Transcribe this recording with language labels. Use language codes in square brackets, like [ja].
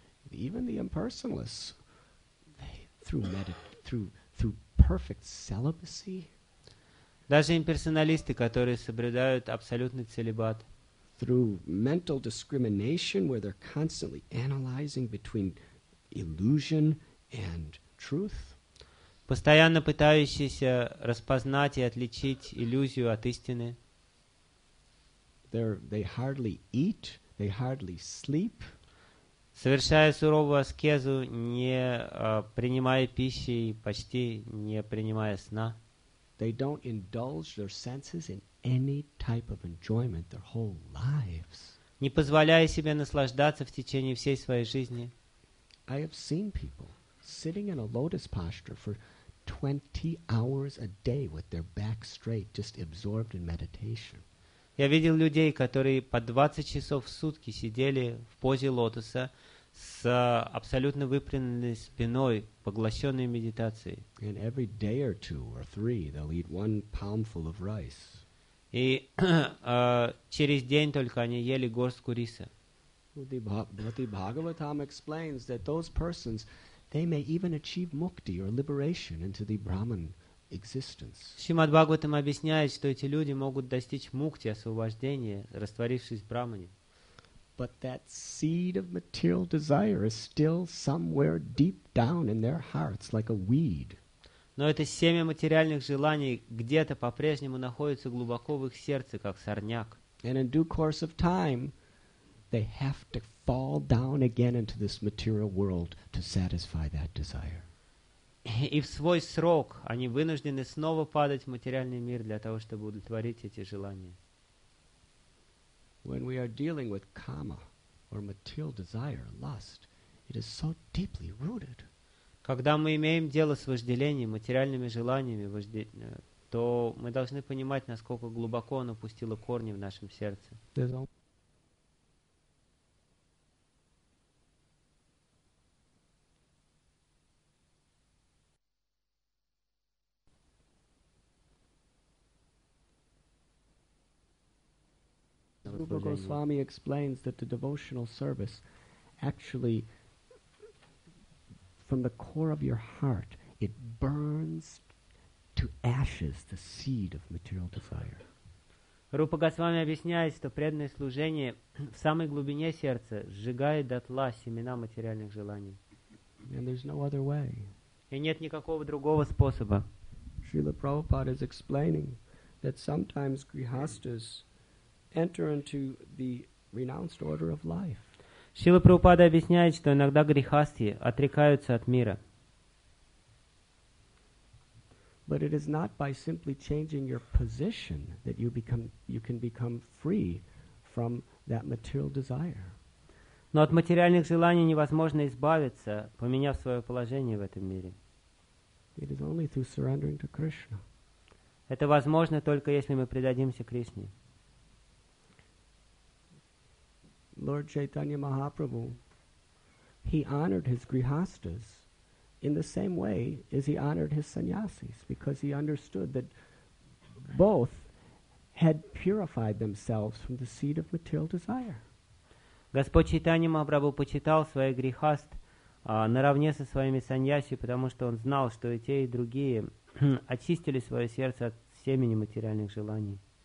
[en] Even the impersonalists, through perfect celibacy. [ru] Даже имперсоналисты, которые соблюдают абсолютный целибат. [en] Through mental discrimination, where they're constantly analyzing between illusion and truth. [ru] Постоянно пытающиеся распознать и отличить иллюзию от истины. [en] They hardly eat, they hardly sleep. [ru] Совершая суровую аскезу, не принимая пищи и почти не принимая сна. [en] They don't indulge their senses in any type of enjoyment their whole lives. [ru] Не позволяя себе наслаждаться в течение всей своей жизни. [en] I have seen people sitting in a lotus posture for 20 hours a day with their back straight, just absorbed in meditation. [ru] Я видел людей, которые по 20 часов в сутки сидели в позе лотоса, с абсолютно выпрямленной спиной, поглощенной медитацией. [en] And every day or two or three, they'll eat one palmful of rice. [ru] И через день только они ели горстку риса. [en] But the Bhagavatam explains that those persons, they may even achieve mukti or liberation into the Brahman existence. [ru] Шримад Бхагаватам объясняет, что эти люди могут достичь мукти, освобождения, растворившись в Брахмане. [en] But that seed of material desire is still somewhere deep down in their hearts, like a weed. [ru] Но это семя материальных желаний где-то по-прежнему находится глубоко в их сердце, как сорняк. [en] And in due course of time, they have to fall down again into this material world to satisfy that desire. [ru] И в свой срок они вынуждены снова падать в материальный мир для того, чтобы удовлетворить эти желания. [en] When we are dealing with kama or material desire, lust, it is so deeply rooted. [ru] Когда мы имеем дело с вожделением, материальными желаниями, то мы должны понимать, насколько глубоко оно пустило корни в нашем сердце. [en] Rupa Goswami explains that the devotional service actually from the core of your heart it burns to ashes the seed of material desire. [ru] Rupa Goswami объясняет, что преданное служение в самой глубине сердца сжигает дотла семена материальных желаний. [en] And there's no other way. [ru] И нет никакого другого способа. [en] Srila Prabhupada is explaining that sometimes grihasthas enter into the renounced order of life. [ru] Шрила Прабхупада объясняет, что иногда грихасти отрекаются от мира. [en] But it is not by simply changing your position that you can become free from that material desire. [ru] Но от материальных желаний невозможно избавиться, поменяв свое положение в этом мире. [en] It is only through surrendering to Krishna. [ru] Это возможно только если мы предадимся Кришне. [en] Lord Chaitanya Mahaprabhu, he honored his grihasthas in the same way as he honored his sannyasis, because he understood that both had purified themselves from the seed of material desire. [ru] Господь Чайтанья Махапрабху почитал своих грихаст наравне со своими саньяси, потому что он знал, что и те, и другие очистили свое сердце от семени материальных желаний.